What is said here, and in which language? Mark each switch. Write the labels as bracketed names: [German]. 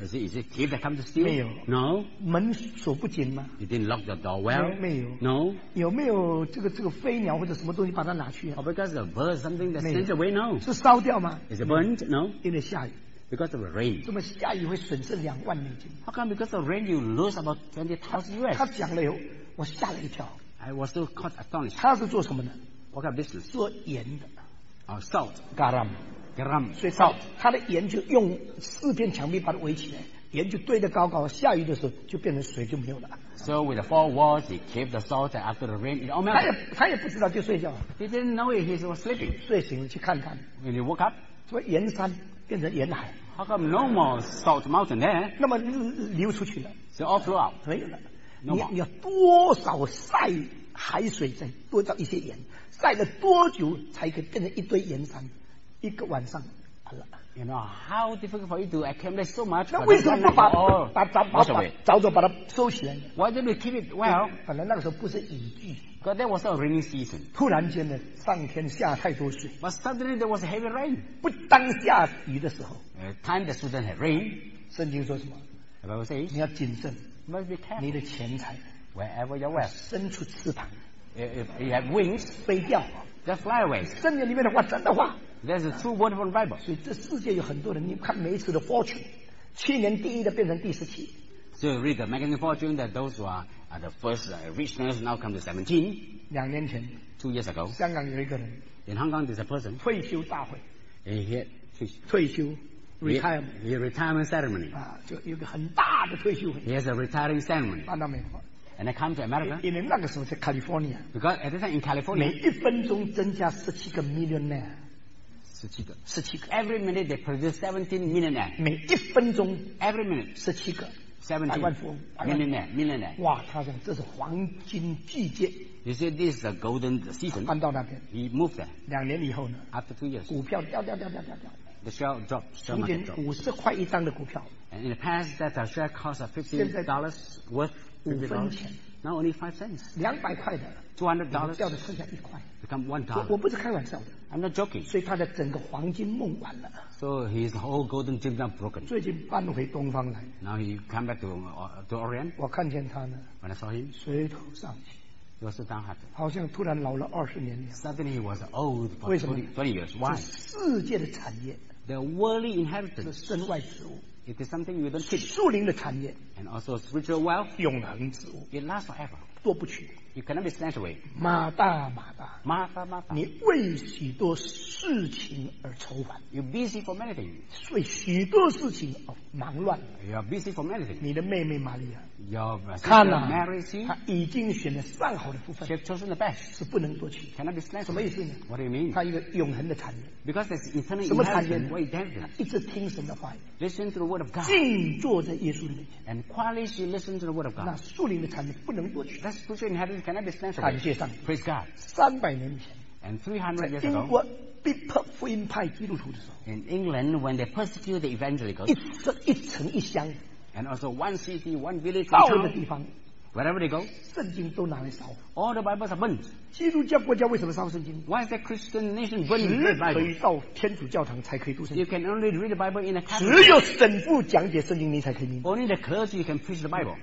[English] Is it thief that come to steal? [Chinese] 没有。 [English] No. [Chinese] 门锁不紧吗？ [English] You didn't lock the door well. [Chinese] 没有。 [English] No. [Chinese] 有没有这个飞鸟或者什么东西把它拿去啊？ [English] Oh, because a bird something that sends away. No. [Chinese] 是烧掉吗？ [English] Is it burned? No. [Chinese] 因为下雨。 [English] Because of the rain. [Chinese] 这么下雨会损失$20,000。 [English] How come because of rain you lose about $20,000 US? [Chinese] 他讲了，我吓了一跳。 [English] I was still caught astonished. [Chinese] 他是做什么呢？ [English] What kind of business? [Chinese] 做盐的。 [English] Oh, salt. [Malay] Garam. Garam. [Chinese] 所以 salt 它的盐就用四片墙壁把它围起来，盐就堆得高高，下雨的时候就变成水就没有了。 [English] So with the four walls, he kept the salt after the rain. It all melted. [Chinese] 他也不知道就睡觉。 [English] He didn't know it. He was sleeping. [Chinese] 睡醒了去看看。 [English] When he woke up, [Chinese] 说盐山变成盐海。 [English] How come no more salt mountain there? [Chinese] 那么流出去了。 [English] So all flow out. [Chinese] 没有了。 [English] No more. [Chinese] 你要多少晒海水再多造一些盐，晒了多久才可以变成一堆盐山？一个晚上 a 了。 [English] You know how difficult for you to accumulate so much? [Chinese] 那为什么不把把它收起来 [English] ？Why don't you keep it well? [Chinese] 本来那个时候不是雨季。 [English] But that was not rainy season. [Chinese] 突然间呢，上天下太多水。 [English] But suddenly there was heavy rain. [Chinese] 不当下雨的时候。 [English] Time the season had rain. [Chinese] 圣经说什么 [English] ？The Bible says. [Chinese] 你要谨慎。 [English] Must be careful. [Chinese] 你的钱财。 [English] Wherever you're wealth. [Chinese] 伸出翅膀。 [English] You have wings. [Chinese] 飞掉。 [English] Just fly away. [Chinese] 圣经里面的话真的话。 [English] There's a true word from the Bible. [Chinese] 所以这世界有很多人，你看每一次的 fortune， 去年第一的变成第十七。 [English] So you read the magazine fortune that those who are the first richness now come to 17. [Chinese] 两年前 [English] ，two years ago， [Chinese] 香港有一个人。 [English] In Hong Kong, there's a person. [Chinese] 退休大会。 [English] And he had [Chinese] 退休 retirement. [English] He retirement ceremony. [Chinese] 啊，就有个很大的退休会。 [English] He has a retiring ceremony. [Chinese] 搬到美国。 [English] And I come to America. [Chinese] 因为那个时候是 California. [English] Because at that time in California. [Chinese] 每一分钟增加十七个 millionaire。 17个 [English] Every minute they produce 17 millionaire [Chinese] 每一分钟 [English] Every minute [Chinese] 17个 [English] 17 millionaire [Chinese] 哇他讲这是黄金季节 [English] You say this is a golden season [Chinese] 搬到那边 [English] He moved there [Chinese] 两年以后呢 [English] After 2 years [Chinese] 股票掉 [English] The share dropped [Chinese] 从前50块一张的股票 [English] And in the past that share cost $50 worth [Chinese] $5 [English] Now only 5 cents [Chinese] 200块的 [English] $200 [Chinese] 掉的剩下一块 [English] Become $1 [Chinese] 我不是开玩笑的 [English] I'm not joking. [Chinese] 所以他的整个黄金梦完了。 [English] So his whole golden dream now broken. [Chinese] 最近搬回东方来。 [English] Now he come back to Orient. [Chinese] 我看见他呢。 [English] When I saw him. [Chinese] 垂头丧气。 [English] He was downhearted. [Chinese] 好像突然老了20年。 [English] Suddenly he was old for 20 years. Why? [Chinese] 世界的产业。 [English] The worldly inheritance. [Chinese] 是身外之物。 [English] It is something you don't keep. [Chinese] 树林的产业。 [English] And also spiritual wealth. [Chinese] 永恒之物。 [English] It lasts forever. [Chinese] 夺不去。 [English] You cannot be snatched away. [Chinese] 马大马大，马大马大，你为许多事情而愁烦。 [English] You're busy for many things. [Chinese] 为许多事情而忙乱。 [English] You're busy for many things. [Chinese] 你的妹妹玛利亚 [English] ，Your sister Mary, [Chinese] 她已经选了上好的部分。 [English] She chose the best. [Chinese] 是不能夺去。 [English] Cannot be snatched away. [Chinese] 什么意思呢 [English] ？What do you mean? [Chinese] 她一个永恒的产业。 [English] Because there's eternal inheritance. [Chinese] 什么产业？一直听神的话语。 [English] Listen to the word of God. [Chinese] 静坐在耶稣里面。 [English] And quietly she listened to the word of God. [Chinese] 那树林的产业不能夺取。 [English] That's spiritual inheritance. [Chinese] 感谢上帝 [English] ，Praise God。 [Chinese] 300年以前 [English] ，And 300 years ago， [Chinese] 在英国逼迫福音派基督徒的时候 [English] ，In England when they persecuted the evangelicals， [Chinese] 一城一乡 [English] ，And also one city one village， [Chinese] 到任的地方 [English] ，Wherever they go， [Chinese] 圣经都拿来烧 [English] ，All the Bibles are burned。 [Chinese] 基督教国家为什么烧圣经 [English] ？Why is that Christian nation burning the Bible？ [Chinese] 只可以到天主教堂才可以读圣经 [English] ，You can only read the Bible in a Catholic。 [Chinese] 只有神父讲解圣经，你才可以明白。 [English] Only the clergy can preach the Bible。